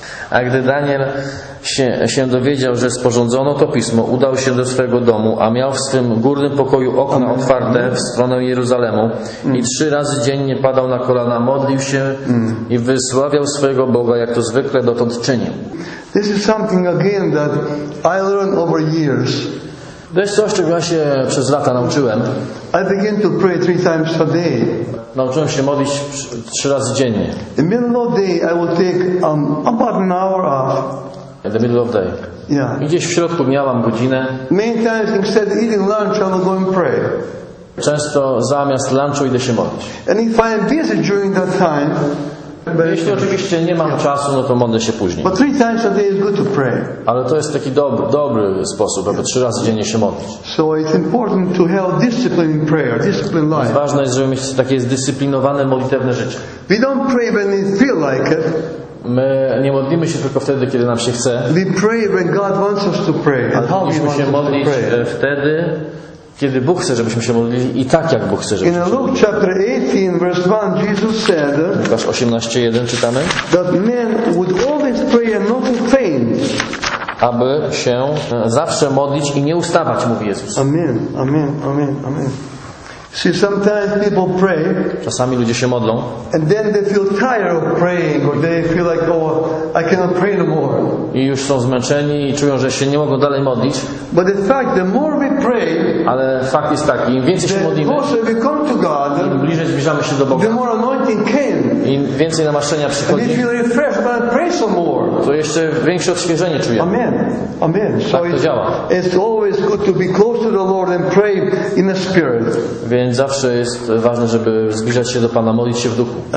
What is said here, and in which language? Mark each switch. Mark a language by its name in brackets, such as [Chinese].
[Polish] A gdy Daniel się dowiedział, że sporządzono to pismo, udał się do swojego domu, a miał w swym górnym pokoju okna otwarte w stronę Jeruzalemu i trzy razy dziennie padał na kolana, modlił się i wysławiał swojego Boga, jak to zwykle dotąd czynił. [English] This is something again that I learned over years. [Polish] To jest coś, czego ja się przez lata nauczyłem. [English] I began to pray three times a day. [Polish] Nauczyłem się modlić trzy razy dziennie. [English] In the middle of the day I would take about an hour off. In the middle of the day. Yeah. [Polish] I gdzieś w środku miałam godzinę. [English] Many times instead of eating lunch I would go and pray. [Polish] Często zamiast lunchu idę się modlić. [English] And if I am busy during that time. [Polish] Jeśli oczywiście nie mam czasu, no to modlę się później. [English] But three times a day is good to pray. [Polish] Ale to jest taki dobry sposób, aby trzy razy dziennie się modlić. [English] So it's important to have discipline in prayer, discipline life. [Polish] Ważne jest, żeby mieć takie zdyscyplinowane, modlitewne życie. [English] We don't pray when we feel like it. [Polish] My nie modlimy się tylko wtedy, kiedy nam się chce. [English] We pray when God wants us to pray. [Polish] Powinniśmy się modlić wtedy, kiedy Bóg chce, żebyśmy się modlili i tak, jak Bóg chce, żebyśmy się modlili. [English] In Luke chapter 18, verse 1, Jesus said, [Polish] Łukasz 18:1 czytamy, [English] that men would always pray and not faint. [Polish] Aby się zawsze modlić i nie ustawać, mówi Jezus. [English] Amen, amen, amen, amen. See, sometimes people pray. [Polish] Czasami ludzie się modlą. [English] And then they feel tired of praying, or they feel like, oh, I cannot pray no more. [Polish] I już są zmęczeni i czują, że się nie mogą dalej modlić. [English] But in fact, the more we pray, [Polish] ale fakt jest taki, im więcej się modlimy, [English] closer we come to God, [Polish] im bliżej zbliżamy się do Boga, [English] the more anointing came. [Polish] Im więcej namaszczenia przychodzi, [English] and if you refresh, but I pray some more. [Polish] To jeszcze większe odświeżenie czujemy. [English] Amen, amen. [Polish] Tak to działa. [English] It's always good to be close to the Lord and pray in the Spirit. [Polish] Więc zawsze jest ważne, żeby zbliżać się do Pana, modlić się w duchu.